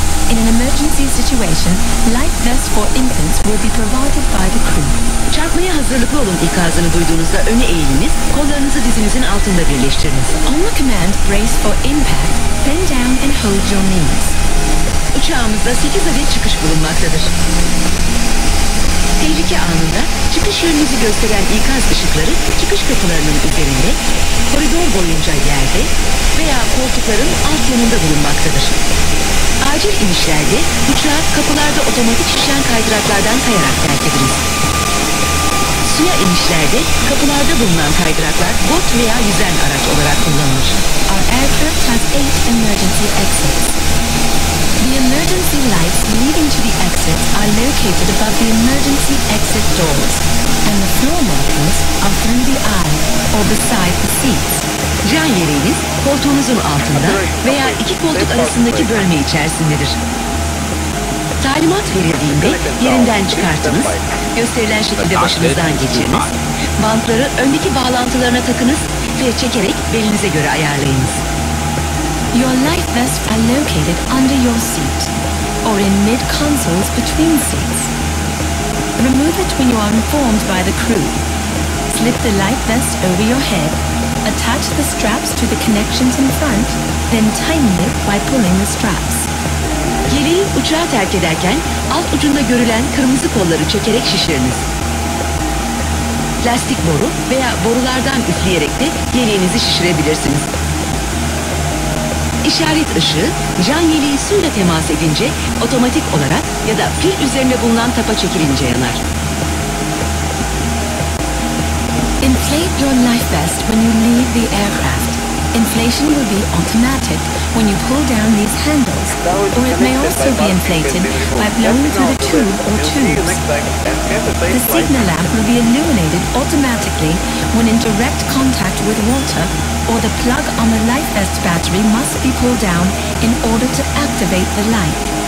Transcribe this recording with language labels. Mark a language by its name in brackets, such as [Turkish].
[English] In an emergency situation, life vests for infants will be provided by the crew. [Turkish] Çarpmaya hazırlıklı olun ikazını duyduğunuzda öne eğiliniz, kollarınızı dizinizin altında birleştiriniz. [English] On the command, brace for impact, bend down and hold your knees. [Turkish] Uçağımızda 8 adet çıkış bulunmaktadır. Tehlike anında çıkış yönünüzü gösteren ikaz ışıkları çıkış kapılarının üzerinde, koridor boyunca yerde veya koltukların alt yanında bulunmaktadır. Acil inişlerde uçağı kapılarda otomatik şişen kaydıraklardan kayarak terk ediniz. Suya inişlerde kapılarda bulunan kaydıraklar bot veya yüzen araç olarak kullanılır. [English] Our aircraft has 8 emergency exits. The emergency lights leading to the exits are located above the emergency exit doors, and the floor markers are through the aisle or beside the seats. [Turkish] Can yeleğiniz koltuğunuzun altında veya iki koltuk arasındaki bölme içerisindedir. Talimat verildiğinde yerinden çıkartınız, gösterilen şekilde başınızdan geçiriniz, bantları öndeki bağlantılarına takınız ve çekerek belinize göre ayarlayınız. [English] Your life vests are located under your seat or in mid-consoles between seats. Remove it when you are informed by the crew. Slip the life vest over your head. Attach the straps to the connections in front, then tighten it by pulling the straps. [Turkish] Yeleği uçağı terk ederken alt ucunda görülen kırmızı kolları çekerek şişiriniz. Plastik boru veya borulardan üfleyerek de yeleğinizi şişirebilirsiniz. işaret ışığı can yeleği suyla temas edince otomatik olarak ya da pil üzerinde bulunan tapa çekilince yanar. [English] Inflate your life vest when you leave the aircraft. Inflation will be automatic when you pull down these handles, or it may also be inflated by blowing through the tube or tubes. The signal lamp will be illuminated automatically when in direct contact with water, or the plug on the life vest battery must be pulled down in order to activate the light.